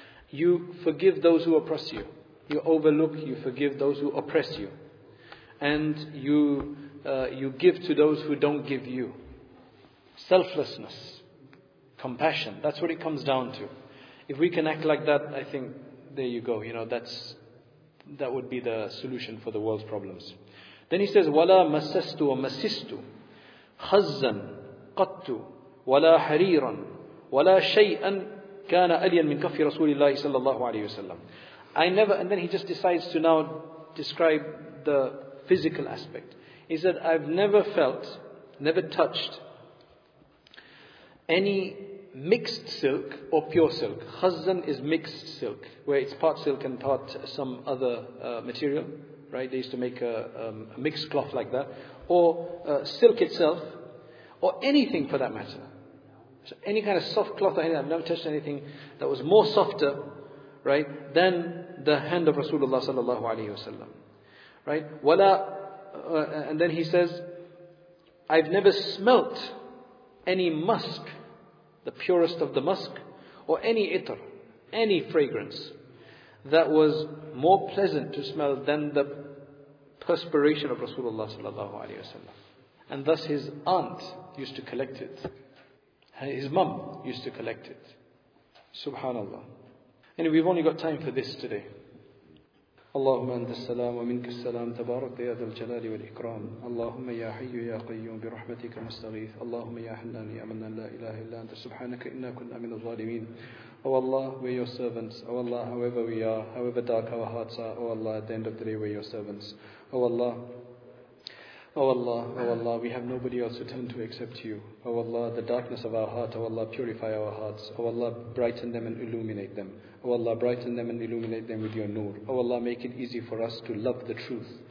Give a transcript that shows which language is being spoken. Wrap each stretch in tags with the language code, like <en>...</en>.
<en>You forgive those who oppress you. You overlook, you forgive those who oppress you. And you you give to those who don't give you. Selflessness, compassion, that's what it comes down to. If we can act like that, I think, there you go. You know, that would be the solution for the world's problems. Then he says,</en> <ar>وَلَا مَسَّسْتُ وَمَسِّسْتُ خَزًّا قَطُّ وَلَا حَرِيرًا وَلَا شَيْئًا كَانَ أَلِيًا مِنْ كَفِّ رَسُولِ اللَّهِ صَلَّى اللَّهُ عَلَيْهِ وَسَلَّمَ.</ar> <en>I never, and then he just decides to now describe the physical aspect. He said, I've never felt, never touched any mixed silk or pure silk. Khazan is mixed silk, where it's part silk and part some other material. Right? They used to make a mixed cloth like that. Or silk itself, or anything for that matter. So any kind of soft cloth, or anything, I've never touched anything that was more softer, right, than the hand of Rasulullah sallallahu alaihi wasallam. Right? Wala, and then he says, I've never smelt any musk, the purest of the musk, or any itr, any fragrance, that was more pleasant to smell than the perspiration of Rasulullah sallallahu alaihi wasallam. And thus his aunt used to collect it. His mum used to collect it. Subhanallah. Anyway, we've only got time for this today.</en> <ar>اللهم أنت السلام ومنك السلام تبارك يا ذا الجلال والإكرام اللهم يا حي يا قيوم برحمتك نستغيث اللهم يا حنان يا منان لا إله إلا أنت سبحانك إنا كنا من الظالمين</ar> <en>Oh Allah, we're your servants. Oh Allah, however we are, however dark our hearts are, Oh Allah, at the end of the day, we're your servants. Oh Allah, Oh Allah, Oh Allah, we have nobody else to turn to except you. Oh Allah, the darkness of our heart, Oh Allah, purify our hearts. Oh Allah, brighten them and illuminate them. Oh Allah, brighten them and illuminate them with your nur. Oh Allah, make it easy for us to love the truth.</en>